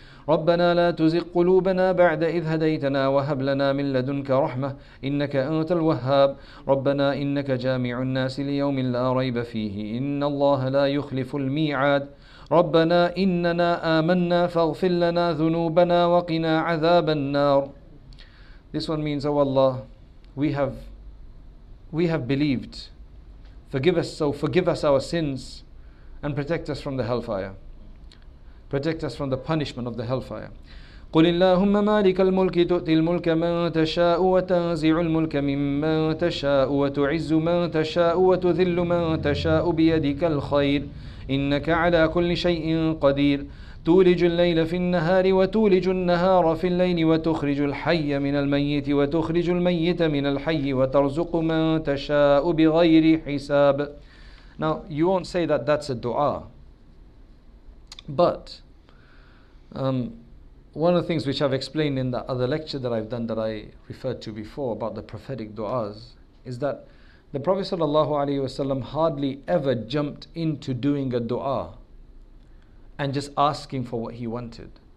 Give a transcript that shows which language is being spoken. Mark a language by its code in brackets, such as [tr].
[ar] ربنا لا تزغ قلوبنا بعد إذ هديتنا وهب لنا من لدنك رحمة إنك أنت الوهاب ربنا إنك جامع الناس ليوم لا ريب فيه إن الله لا يخلف الميعاد ربنا إننا آمنا فاغفر لنا ذنوبنا وقنا عذاب النار. [en] This one means, oh Allah, we have believed. Forgive us our sins and protect us from the hellfire. Protect us from the punishment of the hellfire. [ar] قُلِ اللَّهُمَّ مَالِكَ الْمُلْكِ تُؤْتِي الْمُلْكَ مَنْ تَشَاءُ وَتَنْزِعُ الْمُلْكَ مِمَّنْ تَشَاءُ وَتُعِزُّ مَنْ تَشَاءُ وَتُذِلُّ مَنْ تَشَاءُ بِيَدِكَ الْخَيْرِ إِنَّكَ عَلَى كُلِّ شَيْءٍ قَدِيرٌ تولج الليل في النهار وتولج النهار في الليل وتخرج الحي من الميت وتخرج الميت من الحي وترزق من تشاء بغير حساب. [en] Now you won't say that that's a dua, but one of the things which I've explained in the other lecture that I've done that I referred to before about the prophetic duas is that the Prophet sallallahu alaihi wasallam hardly ever jumped into doing a dua and just asking for what he wanted.